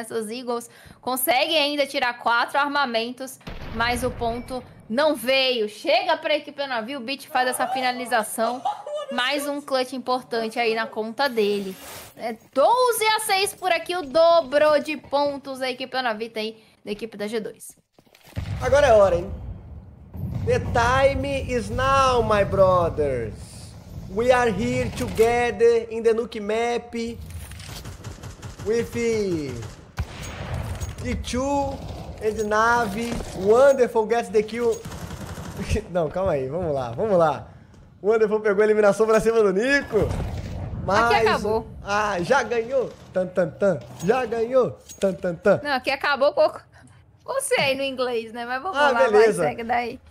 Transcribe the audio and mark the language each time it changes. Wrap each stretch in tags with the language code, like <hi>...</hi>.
<pt>Essas Eagles conseguem ainda tirar 4 armamentos, mas o ponto não veio. Chega pra equipe da Navi, o Beach faz essa finalização. Mais um clutch importante aí na conta dele. É 12 a 6 por aqui, o dobro de pontos da equipe da Navi tem da equipe da G2. Agora é hora, hein?</pt> <en>The time is now, my brothers. We are here together in the Nuke map with T2 and Navi. Wonderful gets the kill.</en> <pt>Não, calma aí, vamos lá, vamos lá. O Wonderful pegou a eliminação pra cima do Nico. Mas... aqui acabou. Ah, já ganhou. Tan, tan, tan. Já ganhou. Tan, tan, tan. Não, aqui acabou pouco. Você aí no inglês, né? Mas vamos lá, beleza. Vai, segue daí.</pt>